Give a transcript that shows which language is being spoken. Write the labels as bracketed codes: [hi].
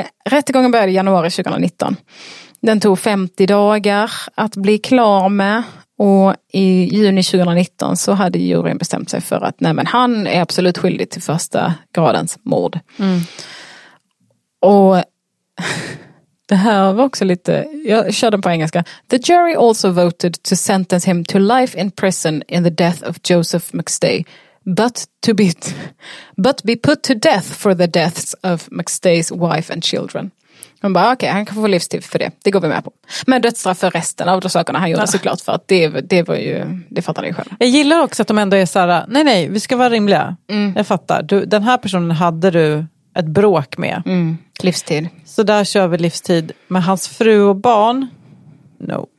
[sv] rättegången började i januari 2019. Den tog 50 dagar att bli klar med. Och i juni 2019 så hade juryn bestämt sig för att nej, men han är absolut skyldig till första gradens mord. Mm. Och det här var också lite, jag kör den på engelska. [en] The jury also voted to sentence him to life in prison in the death of Joseph McStay, but to be put to death for the deaths of McStay's wife and children. [sv] Man bara, okej, han kan få livstid för det. Det går vi med på. Men dödsstraff för resten av de sakerna han gjorde, ja, såklart. För att det var ju, det fattar jag själv. Jag gillar också att de ändå är såhär, nej nej, vi ska vara rimliga. Mm. Jag fattar. Du, den här personen hade du ett bråk med. Mm. Livstid. Så där kör vi livstid. Men hans fru och barn, no.